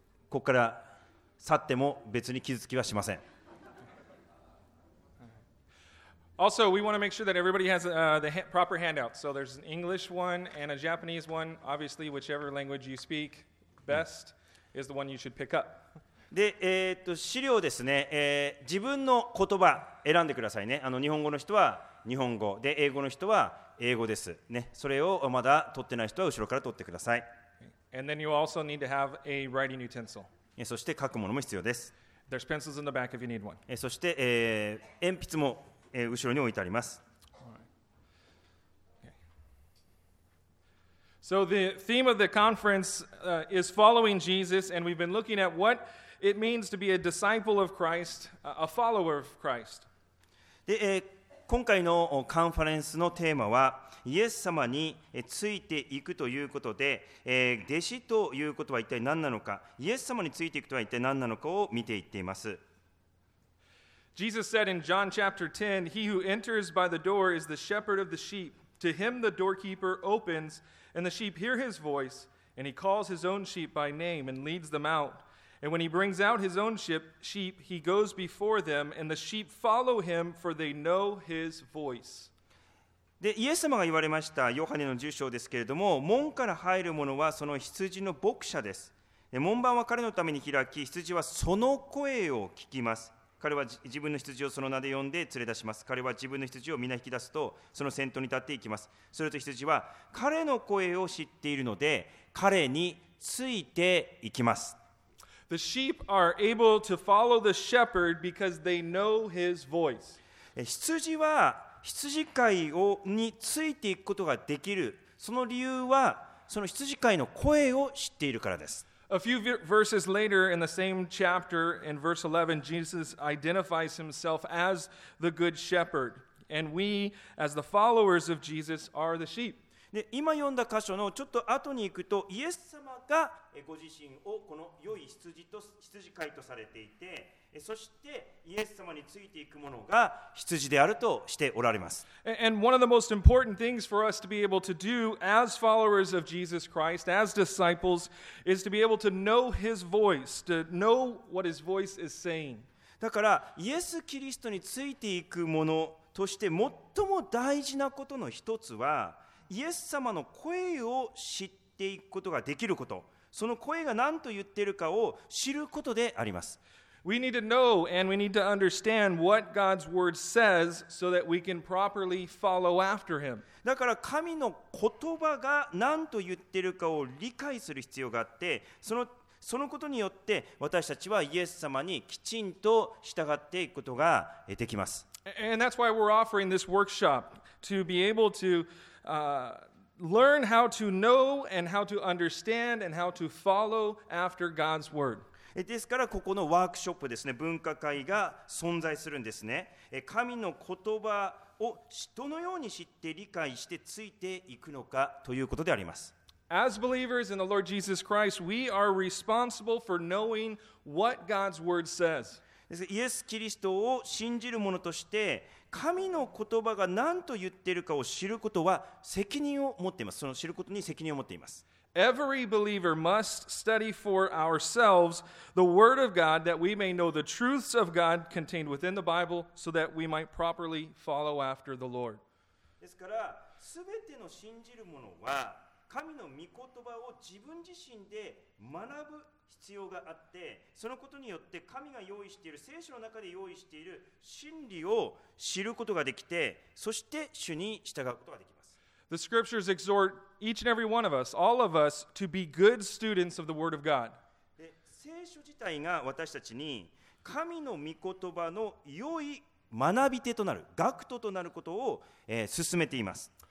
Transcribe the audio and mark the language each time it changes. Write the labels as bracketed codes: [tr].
[ja] ここから去っても別に傷つきはしません。 [en] Also, we want to make sure that everybody has the proper handout. So there's an English one and a Japanese one. Obviously, whichever language you speak best is the one you should pick up. [ja] で、資料ですね、自分の言葉選んでくださいね。日本語の人は日本語で、英語の人は英語ですね。それをまだ取ってない人は後ろから取ってください。 [en] And then you also need to have a writing utensil. [ja] そして書くものも必要です。 [en] There's pencils in the back if you need one. [ja] そして、鉛筆も後ろに置いてあります。 [en] So the theme of the conference is following Jesus, and we've been looking at what it means to be a disciple of Christ, a follower of Christ. [ja] で、今回のカンファレンスのテーマは、イエス様についていくということで、弟子ということは一体何なのか、イエス様についていくとは一体何なのかを見ていっています。 [en] Jesus said in John chapter 10, He who enters by the door is the shepherd of the sheep. To him the doorkeeper opens, and the sheep hear his voice, and he calls his own sheep by name and leads them out. And when he brings out his own sheep, he goes before them, and the sheep follow him, for they know his voice. [ja] で、イエス様が言われましたヨハネの10章ですけれども、門から入る者はその羊の牧者です。門番は彼のために開き、羊はその声を聞きます。彼は自分の羊をその名で呼んで連れ出します。彼は自分の羊を皆引き出すと、その先頭に立っていきます。すると羊は彼の声を知っているので、彼についていきます。 [en] The sheep are able to follow the shepherd because they know his voice. [ja] 羊は羊飼いについていくことができる。その理由は、その羊飼いの声を知っているからです。 [en] A few verses later in the same chapter, in verse 11, Jesus identifies himself as the good shepherd. And we, as the followers of Jesus, are the sheep. [ja] で、今読んだ箇所のちょっと後に行くと、イエス様がご自身をこの良い羊と羊飼いとされていて、そしてイエス様についていくものが羊であるとしておられます。 [en] And one of the most important things for us to be able to do as followers of Jesus Christ, as disciples, is to be able to know his voice, to know what his voice is saying. [ja] だからイエス・キリストについていくものとして最も大事なことの一つは、イエス様の声を知っていくことができること、その声が何と言っているかを知ることであります。 [en] We need to know and we need to understand what God's word says so that we can properly follow after him. [ja] だから神の言葉が何と言っているかを理解する必要があって、そのことによって私たちはイエス様にきちんと従っていくことができます。 [en] And that's why we're offering this workshop to be able to learn how to know and how to understand and how to follow after God's word. [ja] ですからここのワークショップですね、分科会が存在するんですね。神の言葉をどのように知って理解してついていくのかということであります。 [en] As believers in the Lord Jesus Christ, we are responsible for knowing what God's word says. [ja] イエス・キリストを信じる者として、神の言葉が何と言っているかを知ることは責任を持っています。その知ることに責任を持っています。 [en] Every believer must study for ourselves the Word of God that we may know the truths of God contained within the Bible so that we might properly follow after the Lord. [ja] ですから、すべての信じる者は神の御言葉を自分自身で学ぶ必要があって、そのことによって神が用意している、聖書の中で用意している真理を知ることができて、そして主に従うことができます。 [en] The scriptures exhort each and every one of us, all of us, to be good students of the Word of God. [ja] で、聖書自体が私たちに神の御言葉の良い学び手となる、学徒となることを、進めています。